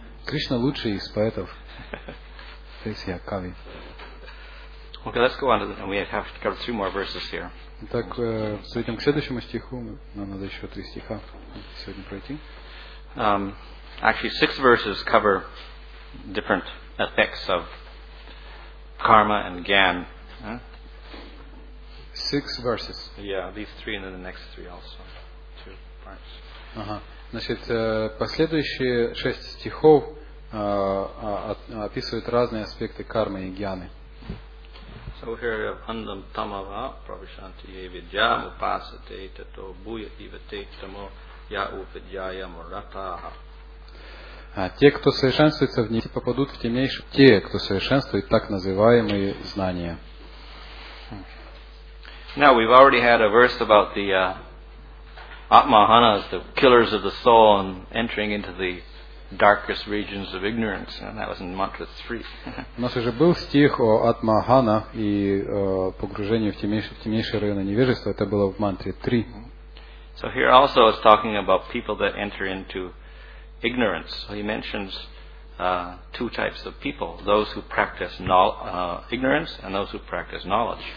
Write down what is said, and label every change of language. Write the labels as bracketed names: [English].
[Russian] Кришна лучший из поэтов. Здесь я кави. [English] Okay, let's go on, and we have to cover two more verses here. [Russian] Итак, перейдем к следующему стиху. Нам надо еще три стиха сегодня пройти. [English] Actually, six verses cover different effects of karma and gyan. Six verses. Yeah, these three and then the next three also. Two parts. [Russian] Значит, последующие шесть стихов описывают разные аспекты кармы и гьяны. [English] So here we have [Sanskrit] Andam Tamava Pravishanti Vidya Upasate Tato Buya Ivate Tamo Ya Uvidyaya Murataha. [Russian] Те, кто совершенствуется в ней, попадут в темнейшие. Те, кто совершенствует так называемые знания. [English] Now we've already had a verse about the Atmahanas, the killers of the soul, and entering into the darkest regions of ignorance, and that was in Mantra 3. [Russian] У нас уже был стих о Атмаханах и погружении в темнейшие районы невежества. Это было в Мантре 3. [English] So here also it's talking about people that enter into ignorance. So he mentions two types of people: those who practice ignorance and those who practice knowledge.